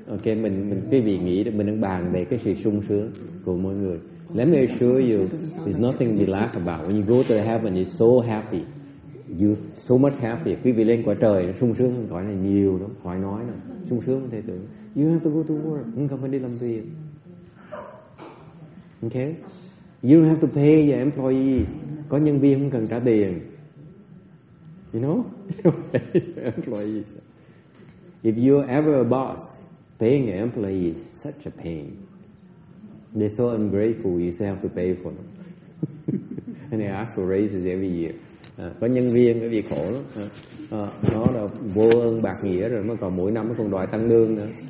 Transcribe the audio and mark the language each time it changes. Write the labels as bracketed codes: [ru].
[vi] Okay, mình quý vị nghĩ mình đang bàn về cái sự sung sướng của mọi người. [en] Let me assure you, there's nothing to laugh about. When you go to heaven, you're so happy. You're so much happy. [vi] Quý vị lên quả trời, nó sung sướng hơn cõi này nhiều lắm. Khỏi nói nữa. Sung sướng không thể tưởng. [en] You have to go to work. [vi] Không cần phải đi làm việc. [en] Okay? You don't have to pay your employees. [vi] Có nhân viên không cần trả tiền. [en] You know? Employees. If you're ever a boss, paying your employees is such a pain. They're so ungrateful, you still have to pay for them. And they ask for raises every year. [vi] Có nhân viên cái gì khổ lắm. Nó là vô ơn bạc nghĩa rồi, mà còn mỗi năm nó còn đòi tăng lương nữa.